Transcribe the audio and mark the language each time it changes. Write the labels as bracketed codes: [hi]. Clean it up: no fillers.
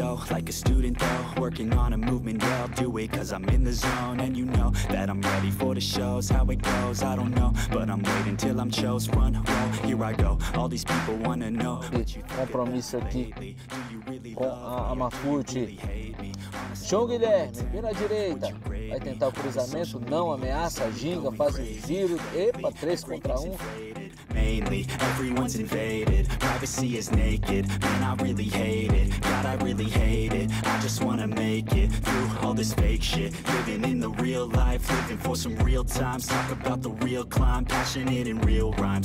[en] Like a student though, working on a movement, yeah, I'll do it cause I'm in the zone. And you know that I'm ready for the shows. How it goes, I don't know, but I'm waiting till I'm chose. Run, roll, here I go. All these people wanna know what you think about me lately. Do you really love me? [pt] João Guilherme, vira à direita. Vai tentar o cruzamento, não ameaça, ginga, faz o giro. Epa, 3 contra 1. [en] Mainly, everyone's invaded. Privacy is naked. Man, I really hate it. God, I really hate it. I just wanna make it through all this fake shit. Living in the real life, living for some real time. Talk about the real climb, passionate in real rhyme.